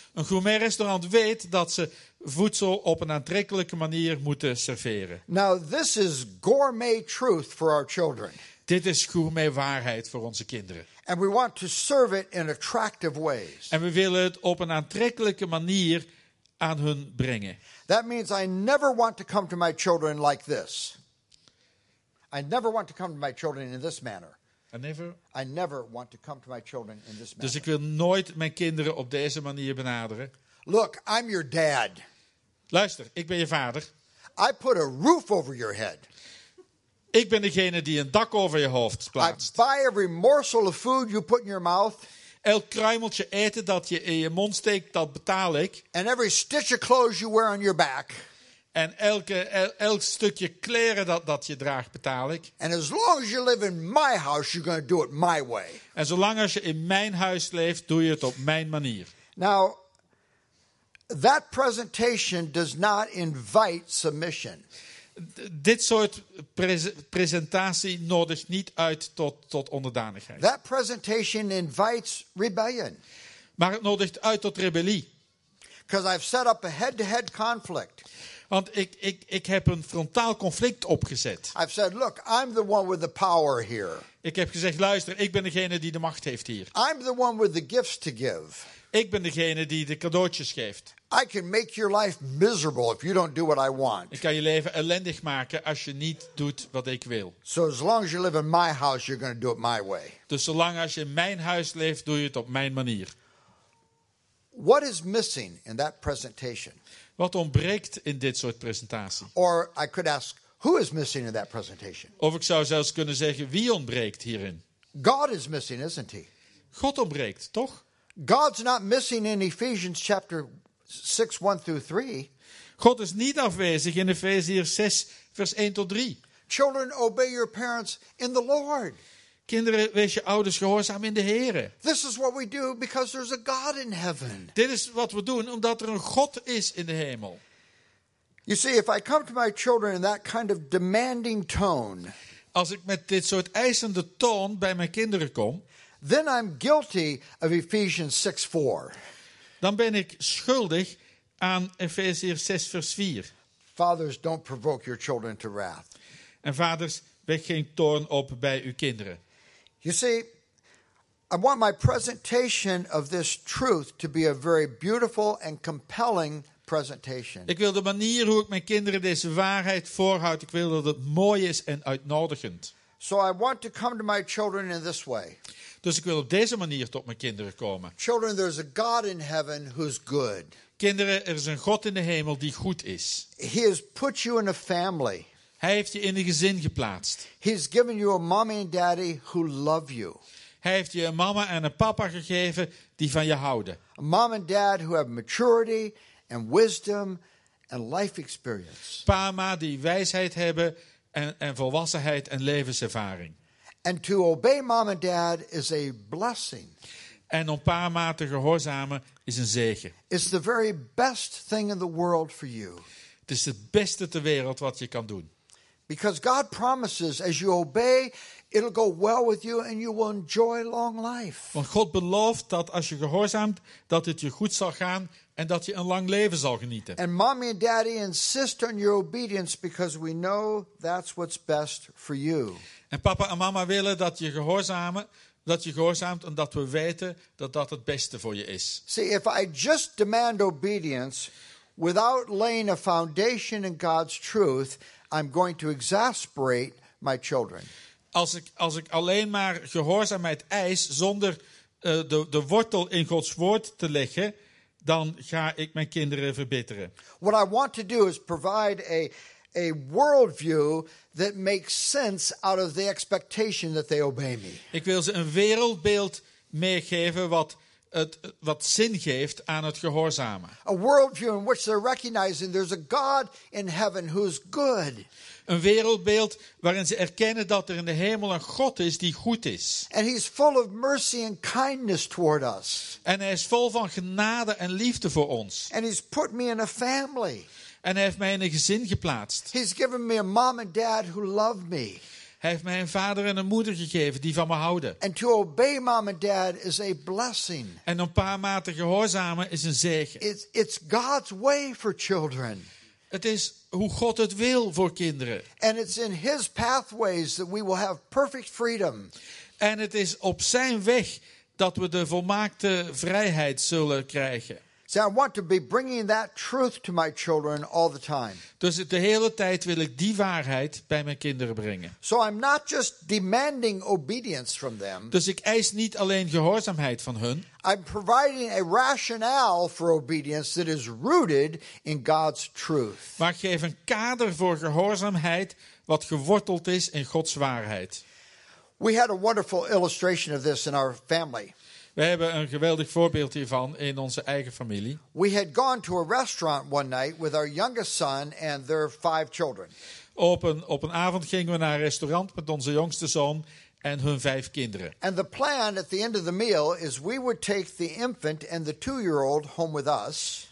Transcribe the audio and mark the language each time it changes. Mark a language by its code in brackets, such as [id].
[nl] Een gourmet restaurant weet dat ze voedsel op een aantrekkelijke manier moeten serveren. [en] Now this is gourmet truth for our children. [nl] Dit is gourmet waarheid voor onze kinderen. [en] And we want to serve it in attractive ways. [nl] En we willen het op een aantrekkelijke manier aan hun brengen. [en] That means I never want to come to my children like this. I never want to come to my children in this manner. I never want to come to my children in this manner. [nl] Dus ik wil nooit mijn kinderen op deze manier benaderen. [en] Look, I'm your dad. [nl] Luister, ik ben je vader. [en] I put a roof over your head. [nl] Ik ben degene die een dak over je hoofd plaatst. [en] I buy every morsel of food you put in your mouth. [nl] Elk kruimeltje eten dat je in je mond steekt, dat betaal ik. [en] And every stitch of clothes you wear on your back. [nl] En elk stukje kleren dat je draagt, betaal ik. [en] And as long as you live in my house, you're going to do it my way. [nl] En zolang als je in mijn huis leeft, doe je het op mijn manier. [en] Now, That presentation does not invite submission. [nl] Dit soort presentatie nodigt niet uit tot onderdanigheid. [en] That presentation invites rebellion. [nl] Maar het nodigt uit tot rebellie. [en] Because I've set up a head-to-head conflict. [nl] Want ik heb een frontaal conflict opgezet. [en] I've said, look, I'm the one with the power here. [nl] Ik heb gezegd, luister, ik ben degene die de macht heeft hier. [en] I'm the one with the gifts to give. [nl] Ik ben degene die de cadeautjes geeft. [en] I can make your life miserable if you don't do what I want. [nl] Ik kan je leven ellendig maken als je niet doet wat ik wil. [en] So as long as you live in my house, you're going to do it my way. [nl] Dus zolang als je in mijn huis leeft, doe je het op mijn manier. [en] What is missing in that presentation? [nl] Wat ontbreekt in dit soort presentatie? [en] Or I could ask, who is missing in that presentation? [nl] Of ik zou zelfs kunnen zeggen, wie ontbreekt hierin? [en] God is missing, isn't he? [nl] God ontbreekt, toch? [en] God's not missing in Ephesians chapter 6, 1 through 3. [nl] God is niet afwezig in Efeziërs 6, vers 1 tot 3. [en] Children, obey your parents in the Lord. [nl] Kinderen, wees je ouders gehoorzaam in de Heere. [en] This is what we do because there's a God in heaven. [nl] Dit is wat we doen omdat er een God is in de hemel. [en] You see, if I come to my children in that kind of demanding tone. [nl] Als ik met dit soort eisende toon bij mijn kinderen kom. [en] Then I'm guilty of Ephesians 6, 4. [nl] Dan ben ik schuldig aan Efeziërs 6, vers 4. [en] Fathers, don't provoke your children to wrath. [nl] En vaders, wek geen toorn op bij uw kinderen. [en] You see, I want my presentation of this truth to be a very beautiful and compelling presentation. [nl] Ik wil de manier hoe ik mijn kinderen deze waarheid voorhoud, ik wil dat het mooi is en uitnodigend. [en] So I want to come to my children in this way. [nl] Dus ik wil op deze manier tot mijn kinderen komen. [en] Children, there's a God in heaven who's good. [nl] Kinderen, er is een God in de hemel die goed is. [en] He has put you in a family. [nl] Hij heeft je in een gezin geplaatst. [en] He's given you a mommy and daddy who love you. [nl] Hij heeft je een mama en een papa gegeven die van je houden. [en] A mom and dad who have maturity and wisdom and life experience. [nl] Pa en ma die wijsheid hebben en volwassenheid en levenservaring. [en] And to obey mom and dad is a blessing. [nl] En om pa en ma te gehoorzamen is een zegen. [en] It's the very best thing in the world for you. [nl] Het is het beste ter wereld wat je kan doen. [en] Because God promises as you obey, it'll go well with you and you will enjoy long life. [nl] Want God belooft dat als je gehoorzaamt, dat het je goed zal gaan en dat je een lang leven zal genieten. [en] And mommy and daddy insist on your obedience because we know that's what's best for you. [nl] En papa en mama willen dat je gehoorzaamt omdat we weten dat dat het beste voor je is. [en] See, if I just demand obedience without laying a foundation in God's truth, I'm going to exasperate my children. [nl] Als ik alleen maar gehoorzaamheid eis zonder de wortel in Gods woord te leggen, dan ga ik mijn kinderen verbitteren. [en] What I want to do is provide a worldview that makes sense out of the expectation that they obey me. [nl] Ik wil ze een wereldbeeld meegeven wat zin geeft aan het gehoorzamen. [en] A worldview in which they're recognizing there's a God in heaven who's good. [nl] Een wereldbeeld waarin ze erkennen dat er in de hemel een God is die goed is. [en] And he's full of mercy and kindness toward us. [nl] En hij is vol van genade en liefde voor ons. [en] And he's put me in a family. [nl] En hij heeft mij in een gezin geplaatst. [en] He's given me a mom and dad who love me. [nl] Hij heeft mij een vader en een moeder gegeven die van me houden. [en] And to obey mom and dad is a blessing. [nl] En om pa en ma te gehoorzamen is een zegen. [en] It's God's way for children. [nl] Het is hoe God het wil voor kinderen. [en] And it's in his pathways that we will have perfect freedom. [nl] En het is op zijn weg dat we de volmaakte vrijheid zullen krijgen. [en] So I want to be bringing that truth to my children all the time. [nl] Dus de hele tijd wil ik die waarheid bij mijn kinderen brengen. [en] So I'm not just demanding obedience from them. [nl] Dus ik eis niet alleen gehoorzaamheid van hun. [en] I'm providing a rationale for obedience that is rooted in God's truth. [nl] Maar ik geef een kader voor gehoorzaamheid wat geworteld is in Gods waarheid. [en] We had a wonderful illustration of this in our family. [nl] We hebben een geweldig voorbeeld hiervan in onze eigen familie. [en] We had gone to a restaurant one night with our youngest son and their five children. [nl] Op een avond gingen we naar een restaurant met onze jongste zoon en hun 5 kinderen. [en] And the plan at the end of the meal is we would take the infant and the 2-year-old home with us.